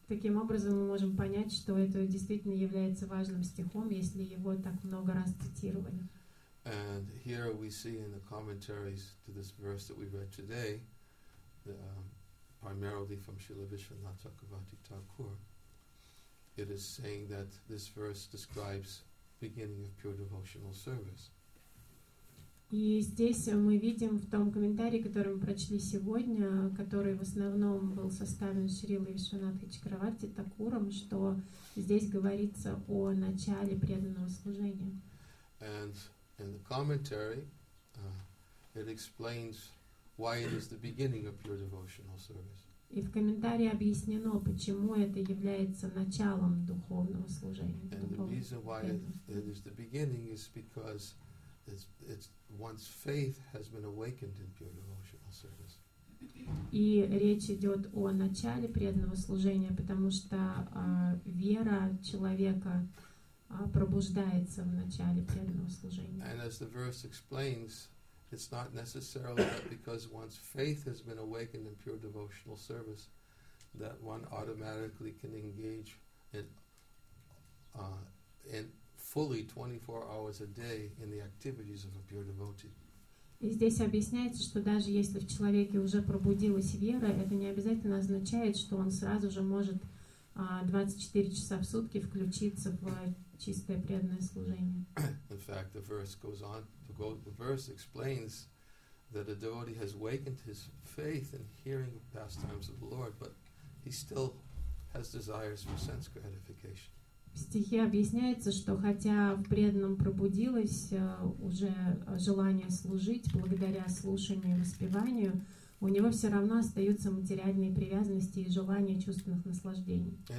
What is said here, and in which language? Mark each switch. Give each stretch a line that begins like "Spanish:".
Russian: Таким образом, мы можем понять, что это действительно является важным стихом, если его так много раз цитировали.
English: And here we see in the commentaries to this verse that we read today, primarily from Srila Vishwanatha Chakravarti Thakur, it is saying that this verse describes beginning of pure devotional service.
Russian: И здесь мы видим в том комментарии, который мы прочли сегодня, который в основном был составлен Шрилой Вишванатхой Чакраварти Такуром, что здесь говорится о начале преданного служения.
English: And in the commentary, it explains why it is the beginning of pure devotional service.
Russian: И в комментарии объяснено, почему это является началом духовного служения.
English: And the reason why it is the beginning is because it's once faith has been awakened in pure devotional service.
Russian: И речь идет о начале преданного служения, потому что вера человека пробуждается в начале преданного служения.
English: And as the verse explains, it's not necessarily that because once faith has been awakened in pure devotional service, that one automatically can engage in fully 24 hours a day in the activities of a pure devotee.
Russian: И здесь объясняется, что даже если в человеке уже пробудилась вера, это не обязательно означает, что он сразу же может 24 часа в сутки включиться в чистое преданное служение.
English: In fact, the verse goes on. The verse explains that a devotee has awakened his faith in hearing the pastimes of the Lord, but he still has desires for sense gratification.
Russian: В стихе объясняется, что хотя в преданном пробудилось уже желание служить благодаря слушанию и воспеванию, у него все равно остаются материальные привязанности и желания чувственных наслаждений.